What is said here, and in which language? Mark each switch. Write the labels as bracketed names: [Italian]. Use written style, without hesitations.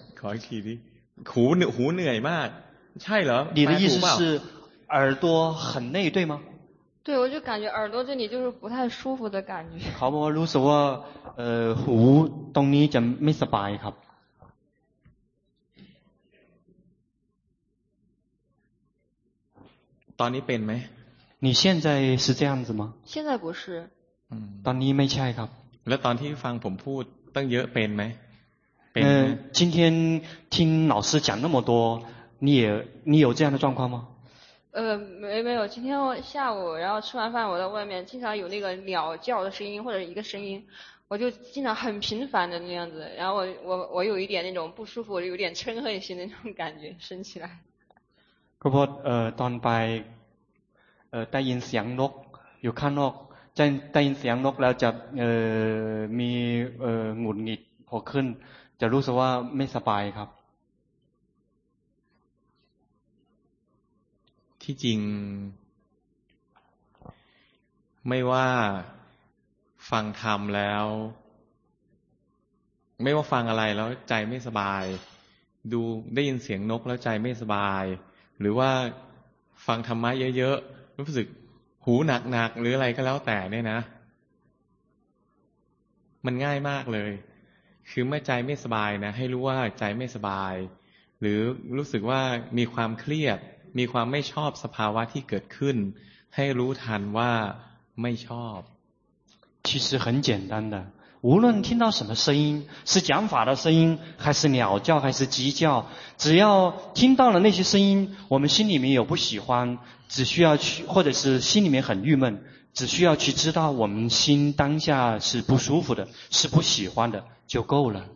[Chinese] 考一题的胡哪一马ใช่เหรอ 你的意思是耳朵很累对吗对我就感觉耳朵这里就是不太舒服的感觉 [Thai] ครับรู้สึกว่าหูตรงนี้จะไม่สบายครับ ตอนนี้เป็นไ [Chinese] หม你现在是这样子吗现在不是 [Thai] ตอนนี้ไม่ใช่ครับ แล้วตอนที่ฟังผมพูดตั้งเยอะเป็นไหม [Chinese] 今天听老师讲那么多你有这样的状况吗没有今天下午然后吃完饭我在外面经常有那个鸟叫的声音或者一个声音我就经常很频繁的那样子然后我有一点那种不舒服有点嗔恨心的那种感觉升起来 [Thai] ครับตอนไปได้ยินเสียงนกอยู่ข้างนอกได้ยินเสียงนกแล้วจะมีหงุดหงิดพอขึ้นจะรู้สึกว่าไม่สบายครับ ที่จริงไม่ว่าฟังธรรมแล้วไม่ว่าฟังอะไรแล้วใจไม่สบายดูได้ยินเสียงนกแล้วใจไม่สบายหรือว่าฟังธรรมะเยอะๆรู้สึกหูหนักๆหรืออะไรก็แล้วแต่เนี่ยนะ มันง่ายมากเลยคือเมื่อใจไม่สบายนะให้รู้ว่าใจไม่สบายหรือรู้สึกว่ามีความเครียดมีความไม่ชอบสภาวะที่เกิดขึ้นให้รู้ทันว่าไม่ชอบ [Chinese] 其实很简单的无论听到什么声音是讲法的声音还是鸟叫还是鸡叫只要听到了那些声音我们心里面有不喜欢只需要去或者是心里面很郁闷只需要去知道我们心当下是不舒服的是不喜欢的就够了